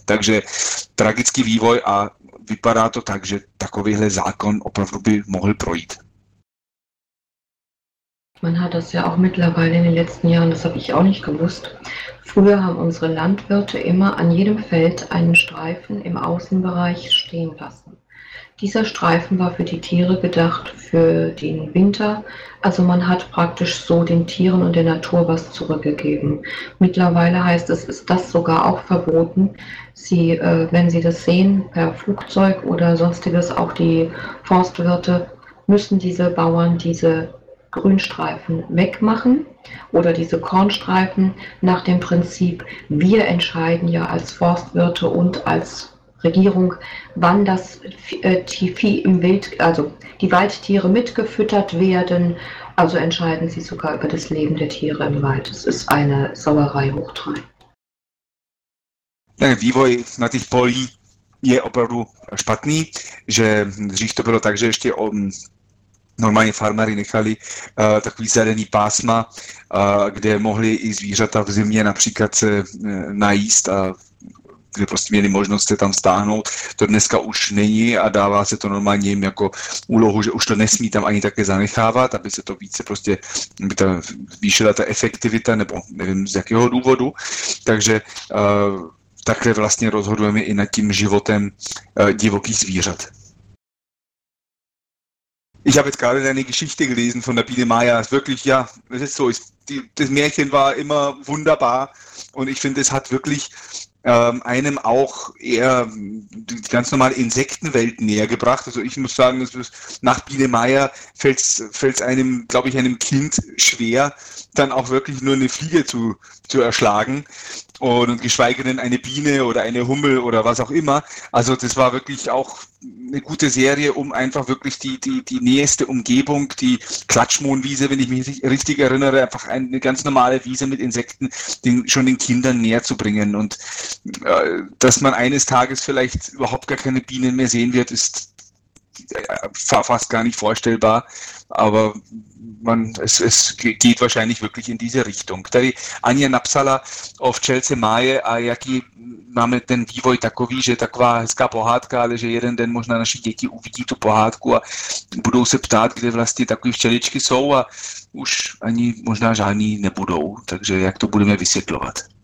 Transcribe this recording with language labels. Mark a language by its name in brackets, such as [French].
[Czech] Takže tragický vývoj a vypadá to tak, že takovýhle zákon opravdu by mohl projít. [German] Man hat das ja auch mittlerweile in den letzten Jahren, das habe ich auch nicht gewusst. Früher haben unsere Landwirte immer an jedem Feld einen Streifen im Außenbereich stehen lassen. Dieser Streifen war für die Tiere gedacht, für den Winter. Also man hat praktisch so den Tieren und der Natur was zurückgegeben. Mittlerweile heißt es, ist das sogar auch verboten. Sie, wenn Sie das sehen, per Flugzeug oder sonstiges, auch die Forstwirte, müssen diese Bauern diese Grünstreifen wegmachen oder diese Kornstreifen nach dem Prinzip, wir entscheiden ja als Forstwirte und als Regierung, wann das die Vieh im Wild, also die Waldtiere mitgefüttert werden, also entscheiden sie sogar über das Leben der Tiere im Wald. Es ist eine Sauerei hoch 3. [Czech] Ten vývoj na těch polí je opravdu špatný, že dřív to bylo tak, že ještě normálně farmáři nechali takový zelený pásma, kde mohli i zvířata v zimě například se najíst a kde prostě měli možnost se tam stáhnout. To dneska už není a dává se to normálně jim jako úlohu, že už to nesmí tam ani také zanechávat, aby se to více prostě aby tam zvýšila ta efektivita nebo nevím z jakého důvodu. Takže takhle vlastně rozhodujeme i nad tím životem divokých zvířat. [German] Ich habe jetzt gerade deine Geschichte gelesen von der Biene Maya. Es ist wirklich, ja, es ist so, das Märchen war immer wunderbar und ich finde, es hat wirklich einem auch eher die ganz normale Insektenwelt näher gebracht. Also ich muss sagen, nach Biene Maya fällt es einem, glaube ich, einem Kind schwer, dann auch wirklich nur eine Fliege zu erschlagen und geschweige denn eine Biene oder eine Hummel oder was auch immer. Also das war wirklich auch eine gute Serie, um einfach wirklich die nächste Umgebung, die Klatschmohnwiese, wenn ich mich richtig erinnere, einfach eine ganz normale Wiese mit Insekten, schon den Kindern näher zu bringen. Und dass man eines Tages vielleicht überhaupt gar keine Bienen mehr sehen wird, ist fast gar nicht vorstellbar, aber es geht wahrscheinlich wirklich in diese Richtung. [Czech] Tady Anja napsala o včelce Máje a jaký máme ten vývoj takový, že taková hezká pohádka, ale že jeden den možná naši děti uvidí tu pohádku a budou se ptát, kde vlastně takové včeličky jsou a už ani možná žádný nebudou. Takže jak to budeme vysvětlovat?